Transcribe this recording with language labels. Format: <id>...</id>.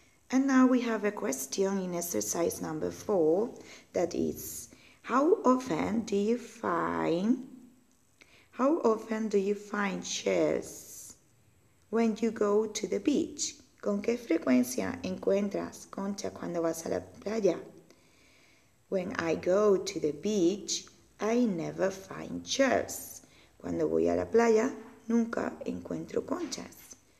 <en>And now we have a question in exercise number 4, that is, how often do you find shells when you go to the beach?</en> <es>¿Con qué frecuencia encuentras concha cuando vas a la playa?</es> <en>When I go to the beach, I never find shells.</en> <es>Cuando voy a la playa, nunca encuentro conchas.</es>